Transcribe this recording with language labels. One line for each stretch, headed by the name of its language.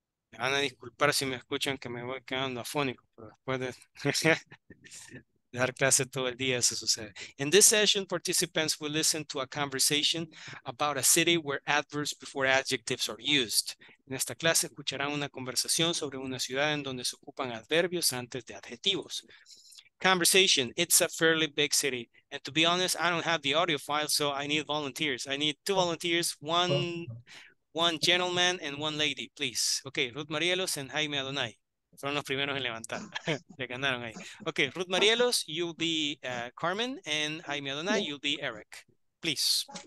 Spanish: Me van a disculpar si me escuchan que me voy quedando afónico, pero después de dar clase todo el día, eso sucede.
English: In this session, participants will listen to a conversation about a city where adverbs before adjectives are used.
Spanish: En esta clase escucharán una conversación sobre una ciudad en donde se ocupan adverbios antes de adjetivos.
English: Conversation, it's a fairly big city. And to be honest, I don't have the audio file, so I need volunteers. I need two volunteers, one gentleman and one lady, please.
Spanish: Okay, Ruth Marielos and Jaime Adonai. Son los primeros en levantar. Le ganaron ahí.
English: Okay, Ruth Marielos, you'll be Carmen, and Jaime Adonai, you'll be Eric. Please.